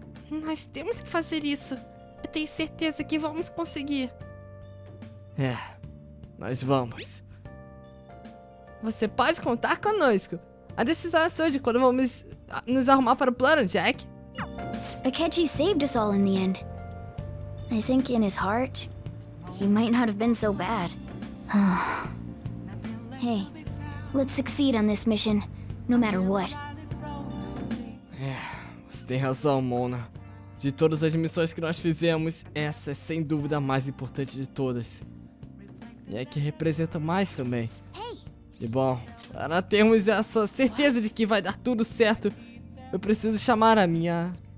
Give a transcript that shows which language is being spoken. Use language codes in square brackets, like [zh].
[pt] Nós temos que fazer isso. Eu tenho certeza que vamos conseguir. É, nós vamos. Você pode contar conosco. A decisão é sua de quando vamos nos arrumar para o plano, Jack. [en] Akechi saved us all in the end. I think in his heart, he might not have been so bad. Hey, let's succeed on this mission, no matter what. [pt] É, você tem razão, Mona. De todas as missões que nós fizemos, essa é sem dúvida a mais importante de todas. E é que representa mais também. E bom, para termos essa certeza de que vai dar tudo certo, eu preciso chamar a minha...